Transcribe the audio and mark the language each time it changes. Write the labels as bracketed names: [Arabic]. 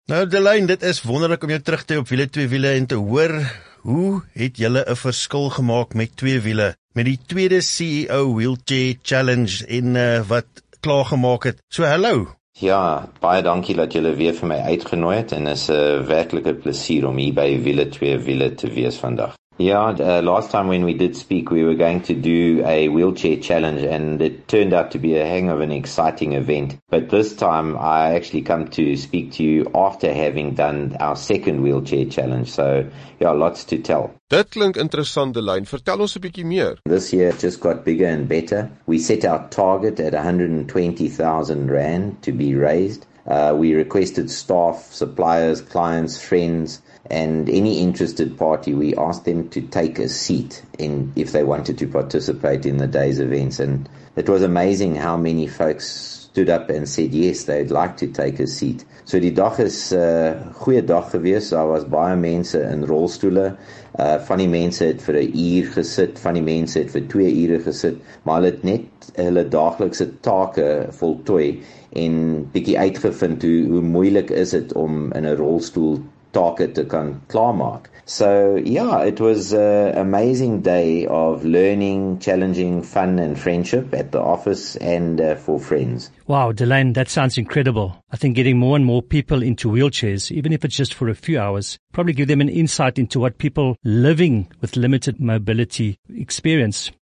[Afrikaans] Nou Delaine, dit is wonderlik om jou terug te hê op Wiele 2 Wiele en te hoor, hoe het julle 'n verskil gemaak met twee wiele, met die tweede CEO Wheelchair Challenge en wat klaargemaak het. So, hallo! Ja, baie dankie dat julle weer vir my uitgenooi het en is 'n werklike plesier om hier by Wiele 2 Wiele te wees vandag. [English] Ja, last time when we did speak, we were going to do a wheelchair challenge and it turned out to be a hang of an exciting event. But this time I actually come to speak to you after having done our second wheelchair challenge. So, yeah, lots to tell. [Afrikaans] Dit klink interessant, Delaine. Vertel ons 'n bietjie meer. [English] This year it just got bigger and better. We set our target at 120,000 rand to be raised. We requested staff, suppliers, clients, friends, and any interested party, we asked them to take a seat in if they wanted to participate in the day's events. And it was amazing how many folks stood up and said yes, they'd like to take a seat. [Afrikaans] So die dag is 'n goeie dag gewees. Daar was baie mense in rolstoele. Van die mense het vir 'n uur gesit, van die mense het vir 2 ure gesit, maar hulle het net hulle daaglikse take voltooi en bietjie uitgevind hoe moeilik is dit om in 'n rolstoel take te kan klaarmaak. [English] So yeah, it was an amazing day of learning, challenging, fun and friendship at the office and for friends. Wow, Delaine, that sounds incredible. I think getting more and more people into wheelchairs, even if it's just for a few hours, probably give them an insight into what people living with limited mobility experience.